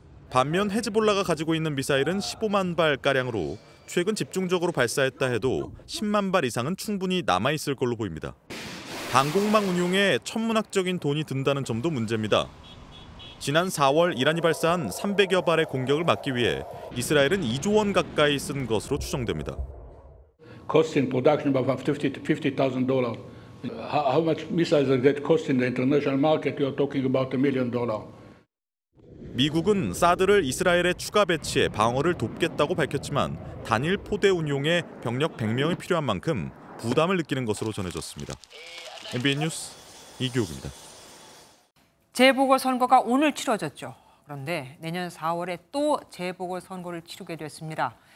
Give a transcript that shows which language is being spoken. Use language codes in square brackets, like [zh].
[ko] 반면 헤즈볼라가 가지고 있는 미사일은 15만 발가량으로 최근 집중적으로 발사했다 해도 10만 발 이상은 충분히 남아있을 걸로 보입니다. 방공망 운용에 천문학적인 돈이 든다는 점도 문제입니다. 지난 4월 이란이 발사한 300여 발의 공격을 막기 위해 이스라엘은 2조 원 가까이 쓴 것으로 추정됩니다. [en] Cost in production about $50,000 to $50,000. How much missiles that cost in the international market? You're talking about $1 million. [ko] 미국은 사드를 이스라엘에 추가 배치해 방어를 돕겠다고 밝혔지만 단일 포대 운용에 병력 100명이 필요한 만큼 부담을 느끼는 것으로 전해졌습니다. MBN 뉴스 이규욱입니다. 재보궐선거가 오늘 치러졌죠. 그런데 내년 4월에 또 재보궐선거를 치르게 됐습니다.